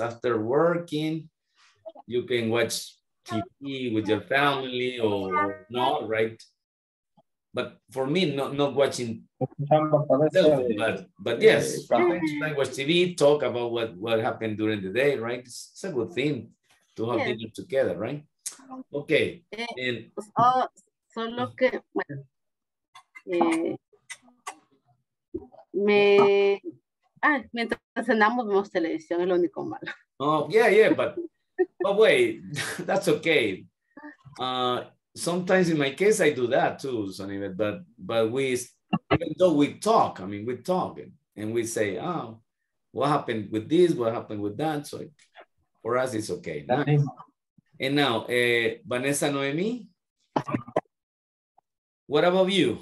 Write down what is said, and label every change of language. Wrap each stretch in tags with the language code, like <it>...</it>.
<en>After working, you can watch TV with your family or not, right? But for me, not watching television, but yes, I watch TV, talk about what happened during the day, right? It's a good thing to have dinner together, right? Okay. And</en> <es>solo que mientras cenamos vemos televisión, es lo único malo.</es> <en>But wait, that's okay. Sometimes in my case I do that too, Sonia, but we, even though we talk, I mean, we talk and we say, oh, what happened with this? What happened with that? So For us, it's okay. No? And now, Vanessa Noemi, what about you?</en>